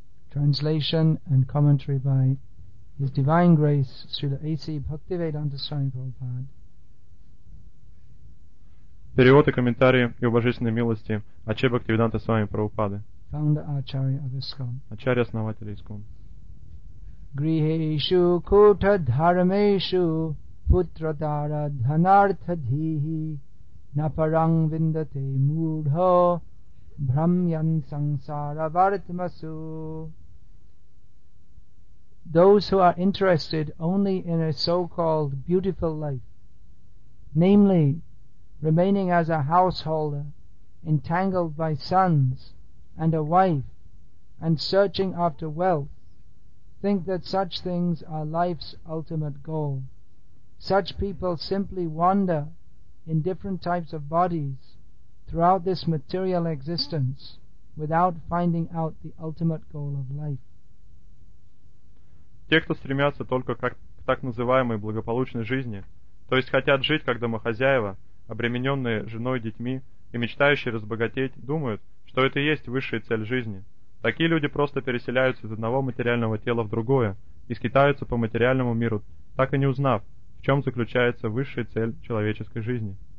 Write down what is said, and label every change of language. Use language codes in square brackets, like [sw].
[en] Translation and commentary by His Divine Grace, Srila A.C. Bhaktivedanta Swami Prabhupada. [ru] Перевод и комментарии и божественной милости Ачи Бхактивиданта Свами Прабхупады. [en] Founder Acharya of ISKCON. [ru] Acharya основателя ISKCON. [sa] Griheshu kuta dharmeshu putra dara dhanartha dhihi naparang vindate mudho brahmyan sansara vartmasu. [en] Those who are interested only in a so-called beautiful life, namely remaining as a householder entangled by sons and a wife and searching after wealth, think that such things are life's ultimate goal. Such people simply wander in different types of bodies throughout this material existence without finding out the ultimate goal of life. [ru] Те, кто стремятся только к так называемой благополучной жизни, то есть хотят жить как домохозяева, обремененные женой и детьми, и мечтающие разбогатеть, думают, что это и есть высшая цель жизни. Такие люди просто переселяются из одного материального тела в другое и скитаются по материальному миру, так и не узнав, в чем заключается высшая цель человеческой жизни.